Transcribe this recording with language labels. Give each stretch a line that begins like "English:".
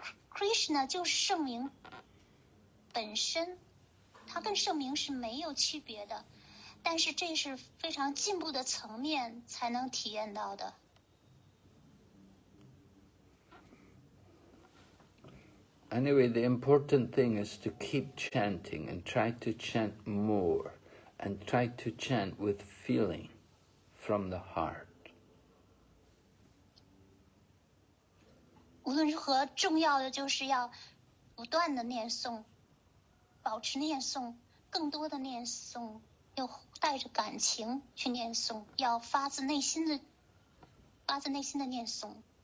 Chinese: Krishna就是圣明本身，它跟圣名是没有区别的，但是这是非常进步的层面才能体验到的。
English: Anyway, the important thing is to keep chanting and try to chant more and try to chant with feeling from the heart.
Chinese: 无论如何，重要的就是要不断的念诵。保持念诵，更多的念诵，又带着感情去念诵，要发自内心的念诵。